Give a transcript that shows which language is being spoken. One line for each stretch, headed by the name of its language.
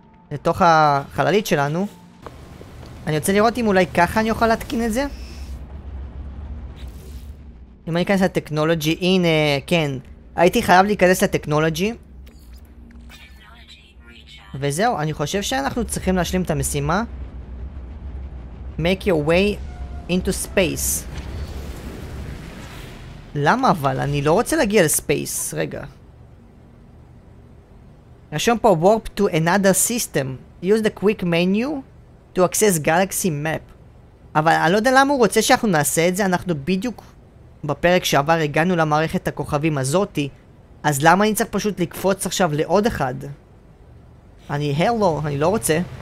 Hebrew: לתוך החללית שלנו. אני רוצה לראות אם אולי ככה אני אוכל להתקין את זה. אם אני אכנס לטכנולוגי, הנה, כן. הייתי חייב להיכנס לטכנולוגי. וזהו, אני חושב שאנחנו צריכים להשלים את המשימה.
English: Make your way into space.
Hebrew: למה אבל? אני לא רוצה להגיע לספייס, רגע. רשום פה
English: Warp to another system. Use the quick menu to access galaxy map.
Hebrew: אבל אני לא יודע למה הוא רוצה שאנחנו נעשה את זה, אנחנו בדיוק בפרק שעבר הגענו למערכת הכוכבים הזאתי, אז למה אני צריך פשוט לקפוץ עכשיו לעוד אחד? אני, הלו, אני לא רוצה.